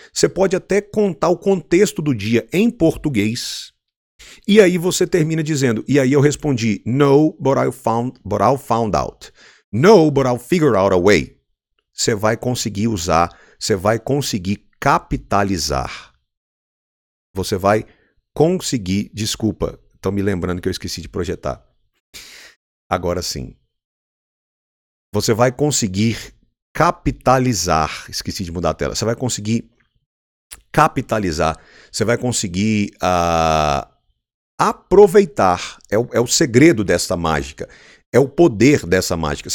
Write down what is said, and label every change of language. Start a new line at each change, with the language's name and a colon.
Portuguese: Você pode até contar o contexto do dia em português, e aí você termina dizendo: e aí eu respondi,
English: no, but I found out. No, but I'll figure out a way.
Portuguese: Você vai conseguir usar, você vai conseguir capitalizar. Você vai conseguir, desculpa, estão me lembrando que eu esqueci de projetar. Agora sim. Você vai conseguir capitalizar, esqueci de mudar a tela. Você vai conseguir capitalizar, você vai conseguir aproveitar, é o segredo dessa mágica, é o poder dessa mágica.